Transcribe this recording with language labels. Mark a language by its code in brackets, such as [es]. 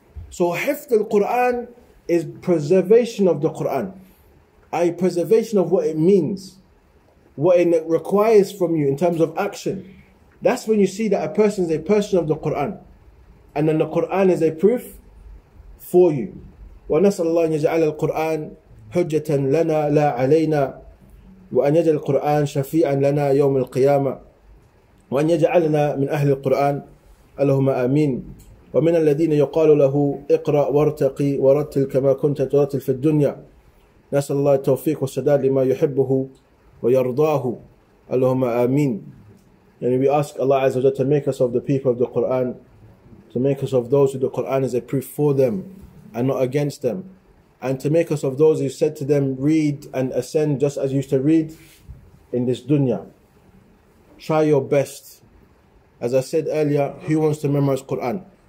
[en] So hifd al-Qur'an is preservation of the Qur'an. A preservation of what it means, what it requires from you in terms of action. That's when you see that a person is a person of the Qur'an. And then the Qur'an is a proof for you. [ar] وَنَسْأَلَ اللَّهِ أَنْ يَجْعَلَ الْقُرْآنَ حُجَّةً لَنَا لَا عَلَيْنَا وَأَنْ يَجْعَلَ الْقُرْآنَ شَفِيعًا لَنَا يَوْمِ الْقِيَامَةِ وأن يجعلنا من أهل القرآن اللهم آمين ومن الذين يقال له اقرأ وارتقي ورتل كما كنت ترتل في الدنيا نسأل الله التوفيق والسداد لما يحبه ويرضاه اللهم آمين. [en] And we ask Allah Azza wa Jalla to make us of the people of the Quran, to make us of those who the Quran is a proof for them and not against them, and to make us of those who said to them, read and ascend just as you used to read in this dunya. Try your best. As I said earlier, who wants to memorize Quran?